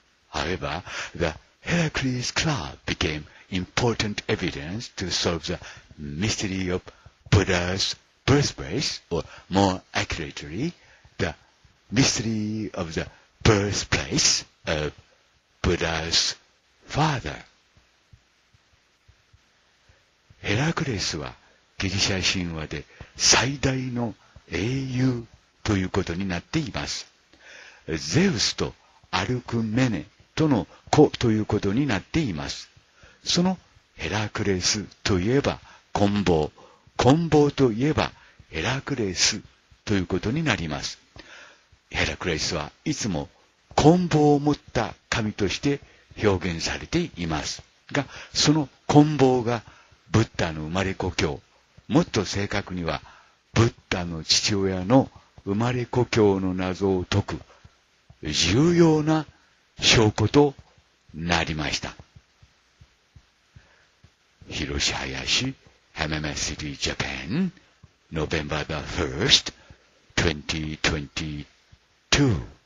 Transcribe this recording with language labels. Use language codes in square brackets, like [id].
[en] However, the Heracles club became important evidence to solve the mystery of Buddha's birthplace, or more accurately, the mystery of the birthplace of Buddha's father. [ja] ヘラクレスはギリシャ神話で最大の英雄ということになっています。ゼウスとアルクメネとの子ということになっています。そのヘラクレスといえば棍棒、棍棒といえばヘラクレスということになります。ヘラクレスはいつも棍棒を持った神として表現されていますが、その棍棒がブッダの生まれ故郷、もっと正確にはブッダの父親の生まれ故郷の謎を解く重要な証拠となりました。 [en] 広志林、浜松 City Japan、 November the 1st 2022。